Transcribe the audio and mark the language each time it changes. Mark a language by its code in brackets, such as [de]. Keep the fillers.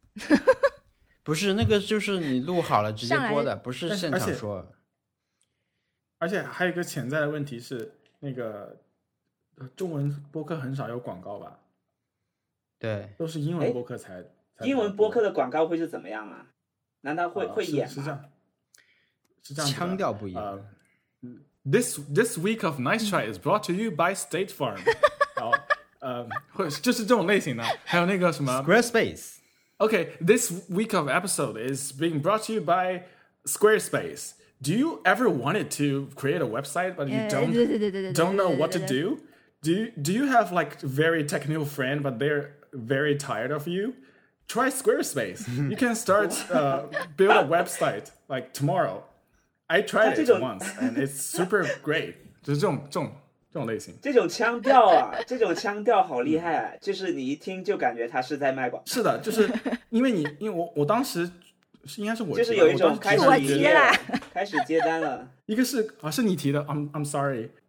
[zh] 不是那个，就是你录好了直接播的，是不是现场说而且。而且还有一个潜在的问题是，那个、呃、中文播客很少有广告吧？对，都是英文播客才。英文播客的广告会是怎么样啊？难道会、啊、会演吗是？是这样，是这样，腔调不一样。 [en] 呃、this uh, this week of Nice Try is brought to you by State Farm。 [zh] 然后，呃，会就是这种类型的，还有那个什么 oh, um, Squarespace。 [en] Okay, this week of episode is being brought to you by Squarespace. Do you ever wanted to create a website but you don't don't know what to do? Do you, do you have like very technical friend but they're Very tired of you. Try Squarespace. You can start uh, build a website like tomorrow. I tried it once, and it's super great. [zh] 就是这种这种这种类型。这种腔调啊，这种腔调好厉害啊！就是你一听就感觉他是在卖播。是的，就是因为你因为我我当时是应该是我就是有一种开始接了，开始接单了。一个是啊，是你提的。 [en] I'm I'm sorry.